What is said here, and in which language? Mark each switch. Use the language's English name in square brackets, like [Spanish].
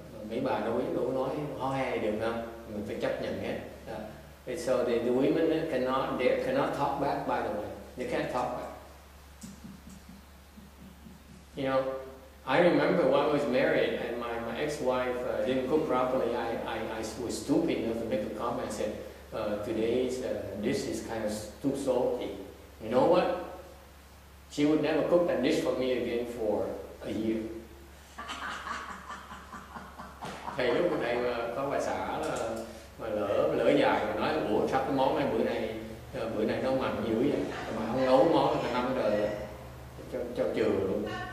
[Vietnamese] Mấy bà đâu nói ho he được không? Mình phải chấp nhận hết. [English] So the women cannot talk back, by the way. They can't talk back. You know, I remember when I was married and my ex-wife didn't cook properly, I was stupid enough to make a comment. I said, today's dish is kind of too salty. You know what? She would never cook that dish for me again for a year. [Vietnamese] Thì lúc này có bà xã là mà lỡ dài mà nói ủa sao cái món này bữa nay nó mặn dữ vậy mà không nấu món cả năm rồi cho trường luôn.